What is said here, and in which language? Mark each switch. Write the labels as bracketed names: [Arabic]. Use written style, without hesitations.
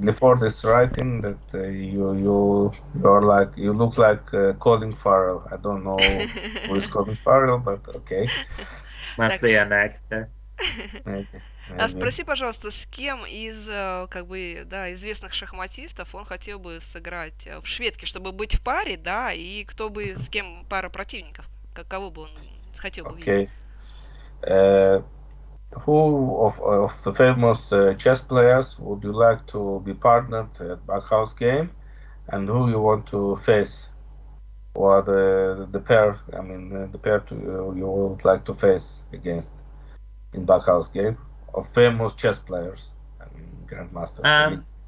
[English] Lefort is writing that you are like you look like Colin Farrell. I don't know who is Colin Farrell, but okay. Must be an actor. [Russian] А спроси, пожалуйста, с кем из как бы да известных шахматистов он хотел бы сыграть в шведке, чтобы быть в паре, да, и кто бы с кем пара противников, кого бы он хотел бы видеть? [English] Who of the famous chess players would you like to be partnered at Bughouse game, and who you want to face, or the pair? I mean, the pair to you would like to face against in Bughouse game of famous chess players and grandmasters.